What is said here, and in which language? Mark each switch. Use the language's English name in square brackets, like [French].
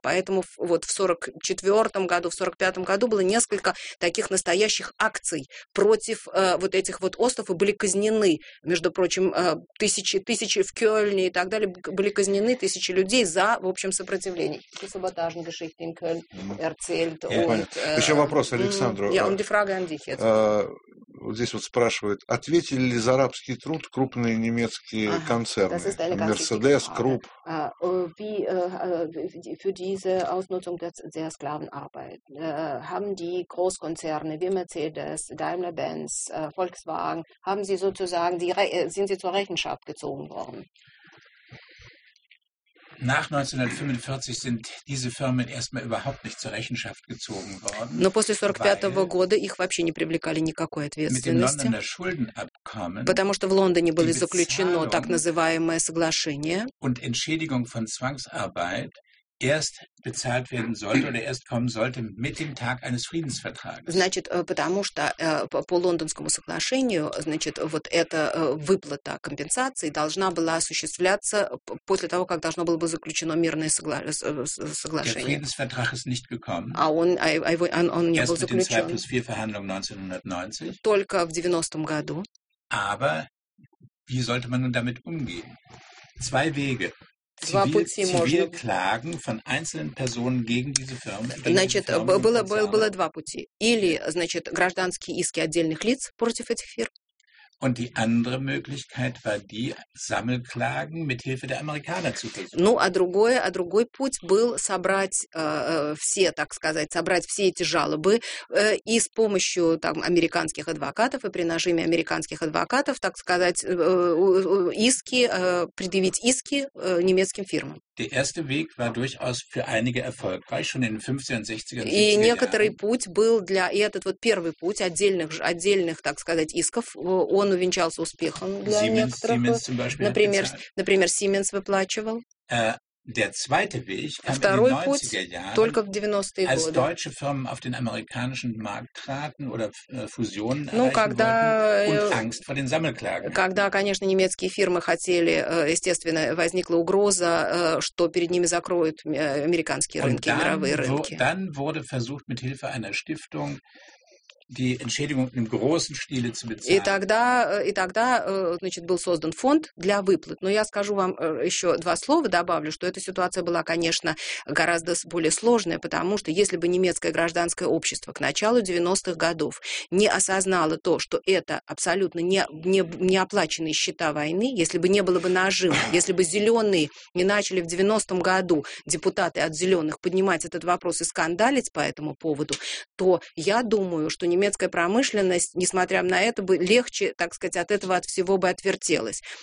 [Russian] Поэтому вот в 44-м году, в 45-м году было несколько таких настоящих акций против вот этих вот остов, и были казнены, между прочим, тысячи в Кёльне и так далее, были казнены тысячи людей за, в общем, сопротивление. Еще вопрос Александру. Я он дефрага андихи. Вот здесь вот спрашивают, ответили ли за арабский труд крупные немецкие концерны? [German] Mercedes, Krupp. Für diese Ausnutzung der Sklavenarbeit haben die Großkonzerne wie Mercedes, Daimler-Benz, Volkswagen, haben sie sozusagen, sind sie zur Rechenschaft gezogen worden? Nach 1945 sind diese Firmen erstmal überhaupt nicht zur Rechenschaft gezogen worden. [Russian] Но после 45-го года их вообще не привлекали никакой ответственности. [German] Mit dem Londoner Schuldenabkommen. [Russian] Потому что в Лондоне было заключено так называемое соглашение. [German] Und Entschädigung von Zwangsarbeit. erst bezahlt werden sollte oder erst kommen sollte mit dem Tag eines Friedensvertrages. [Russian] Значит, потому что по Лондонскому соглашению, значит, вот эта выплата компенсации должна была осуществляться после того, как должно было бы заключено мирное соглашение. [German] Der Friedensvertrag ist nicht gekommen. [Russian] А он не был заключен. [German] Erst mit den 2+4-Verhandlungen 1990. [Russian] Только в 90-м году. [German] Aber wie sollte man nun damit umgehen? Zwei Wege. Zivilklagen von einzelnen Personen gegen diese Firmen. [Russian] Значит, было два пути. Или, значит, гражданские иски отдельных лиц против этих фирм. [German] Und die andere Möglichkeit war die Sammelklagen mit Hilfe der Amerikaner zu versuchen. [Russian] Ну, а другой путь был собрать все, так сказать, собрать все эти жалобы и с помощью там американских адвокатов и при нажиме американских адвокатов, так сказать, иски предъявить иски немецким фирмам. [German] Der erste Weg war durchaus für einige erfolgreich, schon in den 50er und 60er Jahren. [Russian] И некоторый путь был для, и этот вот первый путь отдельных, так сказать, исков, он увенчался успехом для некоторых. Например, Siemens выплачивал. [German] Der zweite Weg kam [Russian] второй [German] in den 90er Jahren, [Russian] только в 90-е годы. [German] Als deutsche Firmen auf den amerikanischen Markt traten oder Fusionen erreichen wollten. [Russian] Когда, конечно, немецкие фирмы хотели, естественно, возникла угроза, что перед ними закроют американские рынки, [German] dann, [Russian] мировые рынки. [German] Dann wurde versucht mit Hilfe einer Stiftung die Entschädigung im großen Stile zu bezahlen. [Russian] И тогда, значит, был создан фонд для выплат. Но я скажу вам еще два слова, добавлю, что эта ситуация была, конечно, гораздо более сложная, потому что если бы немецкое гражданское общество к началу 90-х годов не осознало то, что это абсолютно не оплаченные счета войны, если бы не было бы нажима, если бы зеленые не начали в 90-м году депутаты от зеленых поднимать этот вопрос и скандалить по этому поводу, то я думаю, что немецкая промышленность, несмотря на это, бы легче, так сказать, от этого от всего бы отвертелась.